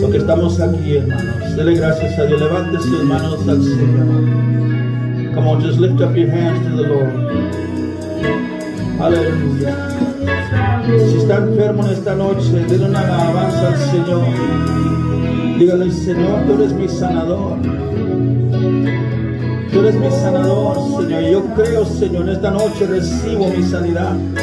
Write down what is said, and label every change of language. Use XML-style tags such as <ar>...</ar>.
<es>Lo que estamos aquí, hermanos, dele gracias a Dios, levante sus manos al Señor.</es> <en>Come on, just lift up your hands to the Lord.</en> <es>Aleluya. Si está enfermo en esta noche, denle una alabanza al Señor. Dígale, Señor, tú eres mi sanador. Tú eres mi sanador, Señor. Yo creo, Señor, en esta noche recibo mi sanidad.</es>